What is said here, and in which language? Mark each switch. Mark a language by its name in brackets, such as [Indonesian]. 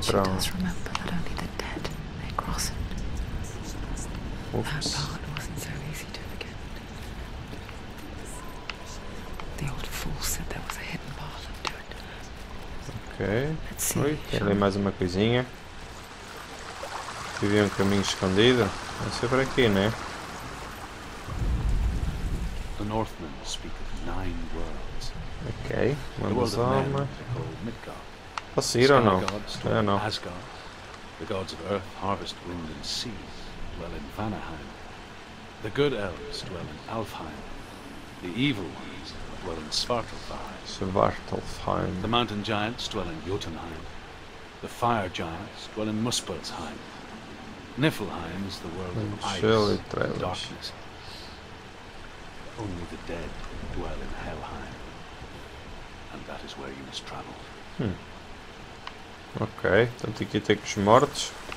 [English] she does remember that only the dead may cross it. Oops. That part wasn't so easy to forget. The old fool said there was a hidden path up to it. Okay. Let's see. [Portuguese] Ui, tem ali mais uma coisinha. Vivi um caminho escondido. Vai ser por aqui, né? [English] The Northmen speak of nine worlds. [Portuguese] Ok, mandamos a alma. Posso ir ou não? [English] Asgard, the gods of Earth, Harvest, Wind and Sea, dwell in Vanaheim. The good elves dwell in Alfheim. The evil ones dwell in Svartalfheim. The mountain giants dwell in Jotunheim. The fire giants dwell in Muspelheim. Niflheim is the world of ice and darkness. Only the dead dwell in Helheim. And that is where you must travel. [Portuguese] Ok, então tem que ir com os mortos.